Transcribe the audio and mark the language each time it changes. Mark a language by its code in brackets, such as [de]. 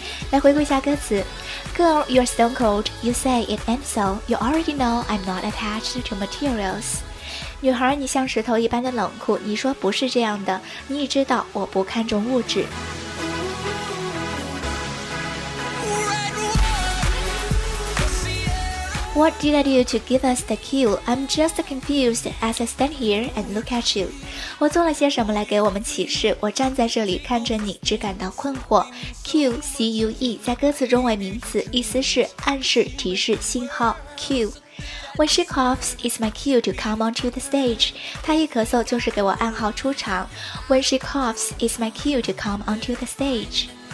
[zh] 来回顾一下歌词 [en] Girl, you're stone cold, you say it ain't so, you already know I'm not attached to materials. [zh] 女孩你像石头一般的冷酷你说不是这样的你已知道我不看重物质。 [en] What did I do to give us the cue? I'm just confused as I stand here and look at you. [zh] 我做了些什么来给我们启示？我站在这里看着你，只感到困惑。 Cue, C-U-E, 在歌词中为名词，意思是暗示、提示、信号。Cue. [en] When she coughs, it's my cue to come onto the stage. [zh] 她一咳嗽就是给我暗号出场。 [en] When she coughs, it's my cue to come onto the stage.